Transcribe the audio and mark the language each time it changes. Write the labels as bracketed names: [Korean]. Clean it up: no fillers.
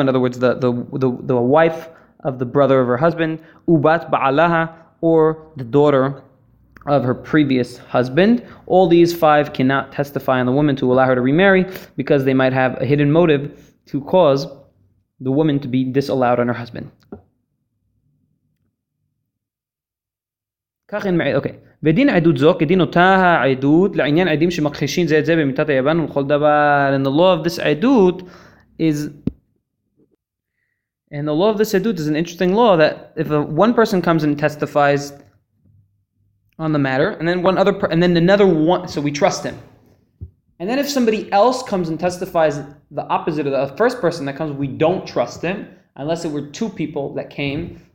[English] In other words, the wife of the brother of her husband, [Hebrew] ubat ba'alaha, [English] or the daughter of her previous husband. All these five cannot testify on the woman to allow her to remarry, because they might have a hidden motive to cause the woman to be disallowed on her husband. Okay. [Hebrew] ודין עדות זו כדין אותה העדות לעניין עדים שמכחישים זה את זה במיטת היוון ולכל דבר. [English] And the law of this עדות is, and the law of this עדות is an interesting law, that if one person comes and testifies on the matter, and then one other, and then another one, so we trust him. And then if somebody else comes and testifies the opposite of the first person that comes, we don't trust him, unless it were two people that came.